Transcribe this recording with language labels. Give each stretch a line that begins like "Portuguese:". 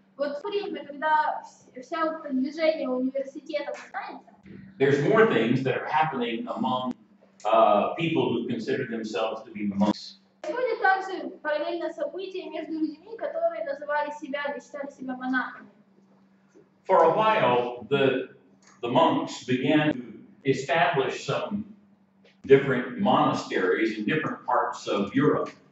Russian: вот в время, когда все это движение университетов начинается,
English: there's more things that are happening among people who consider themselves to be monks.
Russian: Происходит также параллельно события между людьми, которые называли себя или считали себя монахами.
English: For a while, the monks began to establish some different monasteries in different parts of Europe.